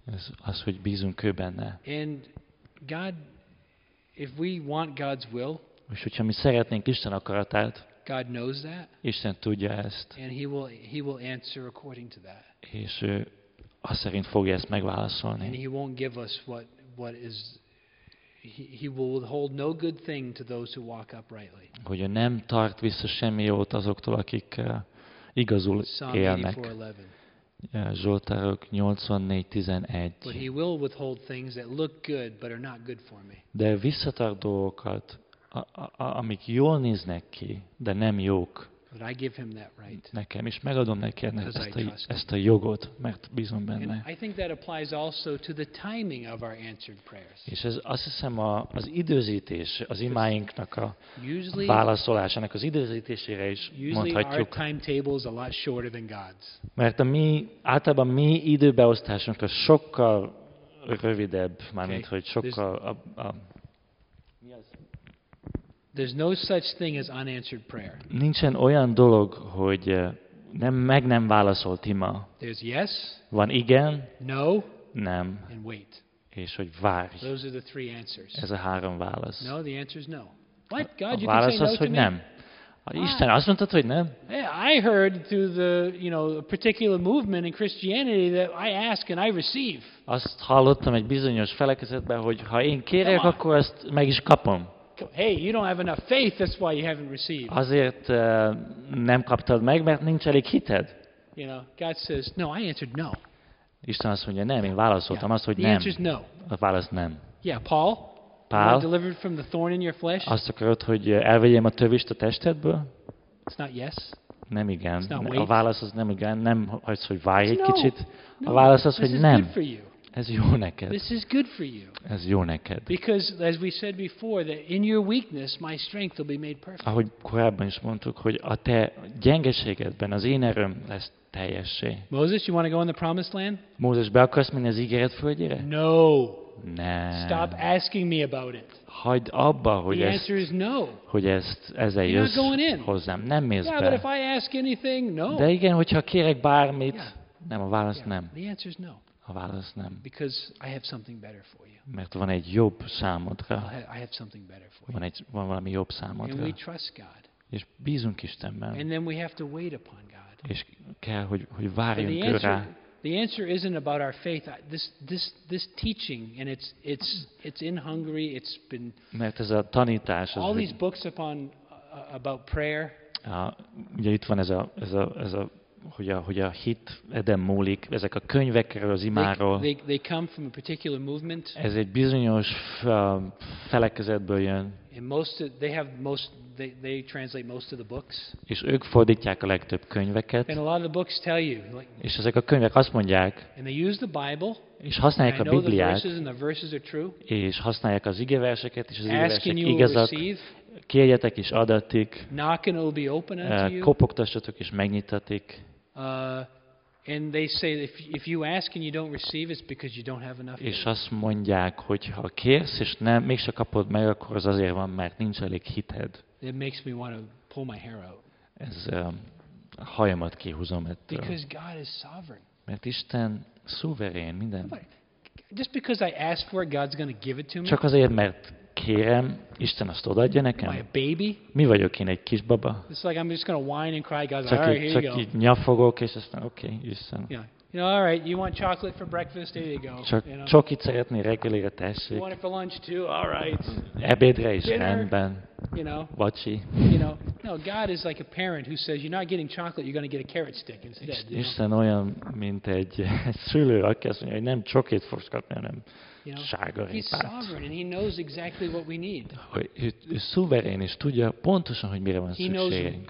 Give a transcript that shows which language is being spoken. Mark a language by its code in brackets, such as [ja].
[hu] Ez az, hogy bízunk ő benne. [en] And God, if we want God's will, [hu] és hogyha mi szeretnénk Isten akaratát, [en] God knows that. [hu] Isten tudja ezt. [en] And he will answer according to that. [hu] És ő azt szerint fogja ezt megválaszolni. [en] And he won't give us what is he will withhold no good thing to those who walk uprightly. [hu] Hogy ő nem tart vissza semmi jót azoktól, akik igazul élnek. Zsoltárok 84:11. [en] But he will withhold things that look good but are not good for me. [hu] De visszatart dolgokat, amik jól néznek ki, de nem jók. [en] But I give him that right. [hu] Nekem is megadom neki ezt a jogot, mert bízom benne. [en] And I think that applies also to the timing of our answered prayers. [hu] És ez azt hiszem az időzítés, az imáinknak a válaszolásának az időzítésére is mondhatjuk. [en] Our timetable is a lot shorter than God's. [hu] Mert általában mi időbeosztásunk az sokkal rövidebb, mármint hogy sokkal [en] There's no such thing as unanswered prayer. [hu] Nincsen olyan dolog, hogy nem válaszolt ima. [en] There's yes. [hu] Van igen. [en] No. [hu] Nem. [en] And wait. [hu] És hogy várj. [en] Those are the three answers. [hu] Ez a három válasz. [en] No, the answer is no. What? God, you can say no to me. [hu] Isten, azt mondtad, hogy nem? [en] I heard through the, you know, a particular movement in Christianity that I ask and I receive. [hu] Azt hallottam egy bizonyos felekezetben, hogy ha én kérek, akkor ezt meg is kapom. [en] Hey, you don't have enough faith, that's why you haven't received. [hu] Azért nem kaptad meg, mert nincs elég hited. [en] You know, God says, no, I answered no. [hu] Isten azt mondja, nem, én válaszoltam azt, hogy [en] the [hu] nem. [en] The answer is no. [hu] A válasz nem. [en] Yeah, Paul? Paul? Delivered from the thorn in your flesh? [hu] Azt akarod, hogy elvegyem a tövist a testedből? [en] It's not yes. [hu] Nem igen. [en] It's not wait. [hu] A válasz az nem igen, nem az, hogy várj egy [en] no. [hu] kicsit. A válasz az, [en] no. [hu] hogy [en] this [hu] nem. [en] This is good for you. [hu] Ez jó neked. [en] This is good for you. [hu] Ez jó neked. [en] Because as we said before that in your weakness my strength will be made perfect. [hu] Ahogy korábban is mondtuk, hogy a te gyengeségedben az én erőm lesz teljessé. [en] Moses, you want to go in the promised land? [hu] Mózes, be akarsz menni az ígéret földjére? [en] No. [hu] Nem. [en] Stop asking me about it. [hu] hagyd abba, hogy ezt, hogy ezt ezzel jössz hozzám. Nem mész be. [en] But if I ask anything, no. [hu] De igen, hogyha kérek bármit, nem, a válasz nem. [en] The answer is no. [hu] A válasz nem. [en] Because I have something better for you. [hu] Mert van egy jobb számodra. [en] I have something better for you. [hu] Van egy, van valami jobb számodra. [en] And we trust God. [hu] És bízunk Istenben. [en] And then we have to wait upon God. [hu] És kell, hogy várjunk ő rá. [en] The answer isn't about our faith. This teaching, and it's in Hungary. It's been. [hu] Mert ez a tanítás. [en] All these books upon about prayer. [hu] Ugye itt van ez a hogy a hit eden múlik, ezek a könyvek erről az imáról. [en] They come from a particular movement. [hu] Ez egy bizonyos felekezetből jön. [en] And most of, they have most they translate most of the books. [hu] És ők fordítják a legtöbb könyveket. [en] And a lot of the books tell you. [hu] És ezek a könyvek azt mondják. [en] And they use the Bible. [hu] És használják a Bibliát. [en] And the verses are true. [hu] És használják az igeverseket, és az igeversek igazak. Kérjetek és adatik. [en] Knock and it will be open unto you. [hu] Kopogtassatok és megnyitatik. [en] And they say if you ask and you don't receive, it's because you don't have enough. [hu] És azt mondják, hogy ha kérsz és nem, mégse kapod meg, akkor az azért van, mert nincs elég hited. [en] It makes me want to pull my hair out. [hu] Ez hajamat kihúzom ettől. [en] Because God is sovereign. [hu] Mert Isten szuverén minden. [en] Just because I ask for it, God's going to give it to me. [hu] Csak azért, mert kérem, Isten azt odaadja nekem. [en] My baby? [hu] Mi vagyok én, egy kisbaba? [en] It's like I'm just going to whine and cry, God's [hu] csak [en] like, all right, [hu] csak [en] here you go. [hu] Csak nyafogok, és aztán, okay, Isten. [en] Yeah. You know, all right, you want chocolate for breakfast, here you go. [hu] Csokit szeretni reggelire, tessék. [en] You want it for lunch too, all right. [hu] Ebédre is rendben. [en] You know. [hu] Vacsi. [en] You know, no, God is like a parent who says, you're not getting chocolate, you're going to get a carrot stick instead. [hu] Isten olyan, mint egy szülő, aki azt mondja, hogy nem csokit fogsz kapni, hanem sárgarépát. Ő szuverén, és tudja pontosan, hogy mire van szükségünk.